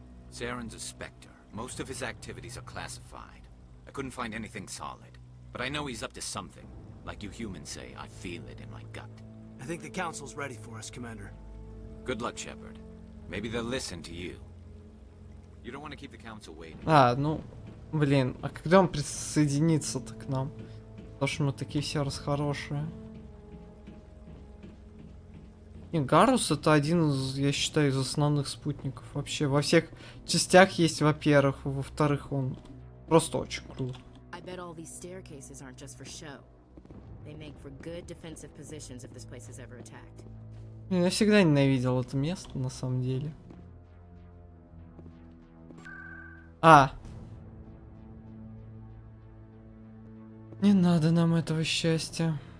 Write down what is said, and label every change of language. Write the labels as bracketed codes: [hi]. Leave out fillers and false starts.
[en] Saren's a Spectre. Most of his activities are classified. I couldn't find anything solid. But I know he's up to something. Like you humans say, I feel it in my gut. I think the Council's ready for us, Commander. Good luck, Shepard. Maybe they'll listen to you. You don't want to keep the Council waiting. No. [ru] Блин, а когда он присоединится-то к нам? Потому что мы такие все расхорошие. И Гарус это один из, я считаю, из основных спутников вообще. Во всех частях есть, во-первых, во-вторых, он просто очень крут. [en] I bet all these staircases aren't just for show. They make for good defensive positions if this place is ever attacked. [ru] Блин, я всегда ненавидел это место, на самом деле. А! Не надо нам этого счастья.